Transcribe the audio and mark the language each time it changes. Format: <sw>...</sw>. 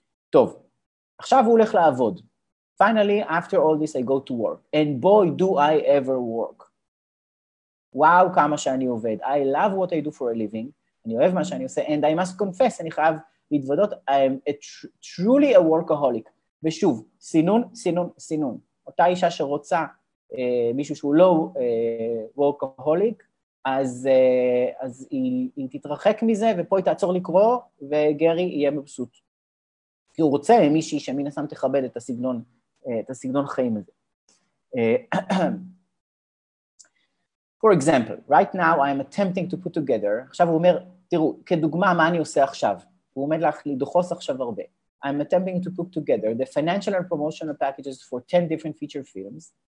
<he>טוב, עכשיו הוא הולך לעבוד.</he> <en>Finally, after all this, I go to work. And boy, do I ever work.</en> <he>וואו, כמה שאני עובד.</he> <en>I love what I do for a living.</en> <he>אני אוהב מה שאני עושה.</he> <en>And I must confess,</en> <he>אני חייב להתוודות.</he> <en>I am truly a workaholic.</en> <he>ושוב, סינון, סינון, סינון. אותה אישה שרוצה מישהו שהוא לא workaholic, אז היא תתרחק מזה, ופה היא תעצור לקרוא, וגרי יהיה מבסוט. כי הוא רוצה מישהי שמין הסתם תכבד את הסגנון, את הסגנון חיים הזה.</he> <en>For example, right now I am attempting to put together,</en> <he>עכשיו הוא אומר, תראו, כדוגמה מה אני עושה עכשיו, הוא עומד לדחוס עכשיו הרבה.</he> <en>I am attempting to put together the financial and promotional packages for 10 different feature films.</en>